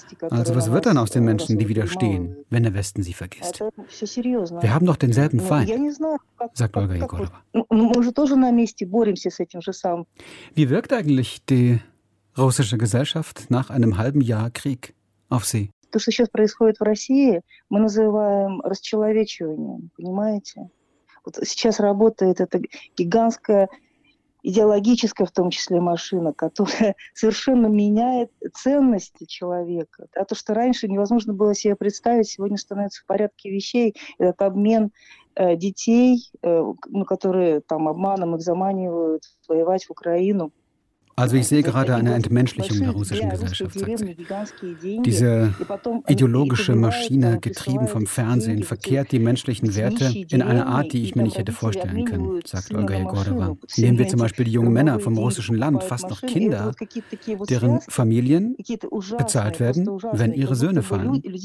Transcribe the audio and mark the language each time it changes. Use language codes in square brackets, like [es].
[de] Also was wird dann aus den Menschen, die widerstehen, wenn der Westen sie vergisst? Wir haben doch denselben Feind, sagt Olga Yegorova. Wie wirkt eigentlich die russische Gesellschaft nach einem halben Jahr Krieg auf sie? [ru] То, что сейчас происходит в России, мы называем расчеловечиванием, понимаете? Вот сейчас работает эта гигантская идеологическая, в том числе, машина, которая совершенно меняет ценности человека. А то, что раньше невозможно было себе представить, сегодня становится в порядке вещей. Этот обмен детей, которые там обманом их заманивают воевать в Украину. [de] Also ich sehe gerade eine Entmenschlichung der russischen Gesellschaft, sagt sie. Diese ideologische Maschine, getrieben vom Fernsehen, verkehrt die menschlichen Werte in einer Art, die ich mir nicht hätte vorstellen können, sagt Olga Jegorova. Nehmen wir zum Beispiel die jungen Männer vom russischen Land, fast noch Kinder, deren Familien bezahlt werden, wenn ihre Söhne fallen.